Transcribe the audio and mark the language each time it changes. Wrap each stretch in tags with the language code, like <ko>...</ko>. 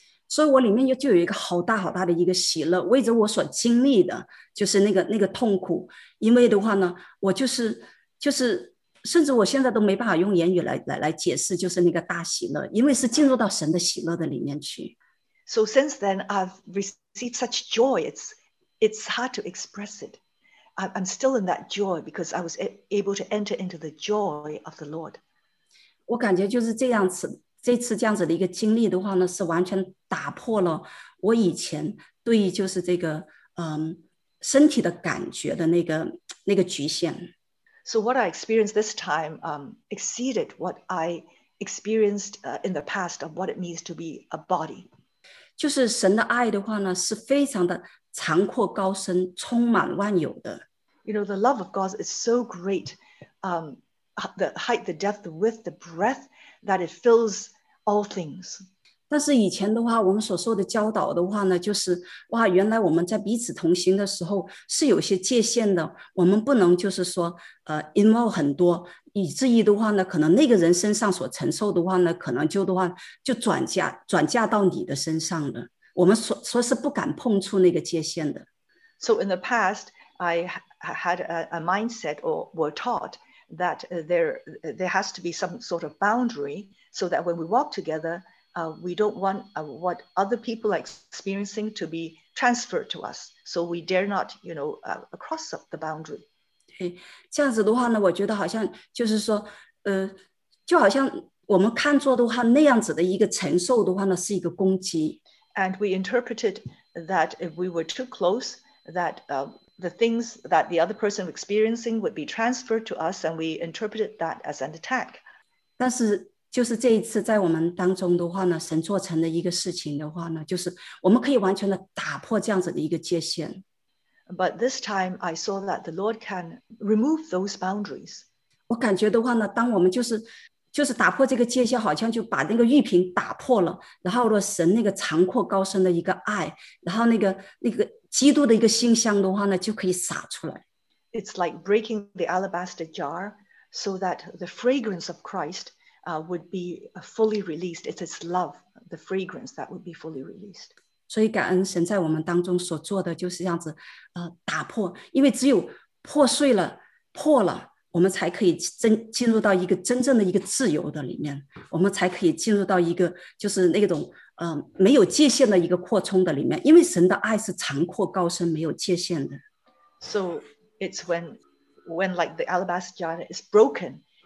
<zh>所以我里面就有一个好大好大的一个喜乐，为着我所经历的，就是那个痛苦。因为的话呢，我就是甚至我现在都没办法用言语 来解释就是那个大喜乐，因为是进入到神的喜乐的里面去。</zh> <en>So since then I've received such joy, it's hard to express it. I'm still in that joy because I was able to enter into the joy of the Lord.</en> <zh>我感觉就是这样子，这次这样子的一个经历的话呢，是完全打破了我以前对于就是这个身体的感觉的那个局限。</zh> <en>So what I experienced this time exceeded what I experienced in the past of what it means to be a body.</en> <zh>就是神的爱的话呢，是非常的长阔高深，充满万有的。</zh> <en>You know, the love of God is so great, the height, the depth, the width, the breadth, that it fills all things.</en> <zh>但是以前的话，我们所受的教导的话呢，就是哇，原来我们在彼此同行的时候是有些界限的，我们不能就是说involve 很多，以至于的话呢，可能那个人身上所承受的话呢，可能就的话就转嫁到你的身上了。我们说是不敢碰触那个界限的。</zh> <en>So in the past, I had a mindset or were taught that there has to be some sort of boundary so that when we walk together. We don't want what other people are experiencing to be transferred to us. So we dare not, you know, cross up the boundary.</en> <zh>对，这样子的话呢，我觉得好像就是说，就好像我们看作的话，那样子的一个承受的话呢，是一个攻击。</zh> <en>And we interpreted that if we were too close, that the things that the other person experiencing would be transferred to us, and we interpreted that as an attack.</en> <zh>但是就是这一次在我们当中的话呢，神做成的一个事情的话呢，就是我们可以完全的打破这样子的一个界限。</zh> <en>But this time I saw that the Lord can remove those boundaries.</en> <zh>我感觉的话呢，当我们就是打破这个界限，好像就把那个玉瓶打破了，然后若神那个长阔高深的一个爱，然后那个基督的一个馨香的话呢，就可以洒出来。</zh> <en>It's like breaking the alabaster jar so that the fragrance of Christ. Would be fully released. It's his love, the fragrance that would be fully released.</en> <zh>所以感恩神在我们当中所做的就是这样子，打破，因为只有破碎了，破了，我们才可以进入到一个真正的一个自由的里面，我们才可以进入到一个就是那种没有界限的一个扩充的里面，因为神的爱是长阔高深，没有界限的。</zh> <en>So it's when like the alabaster jar is broken.</en>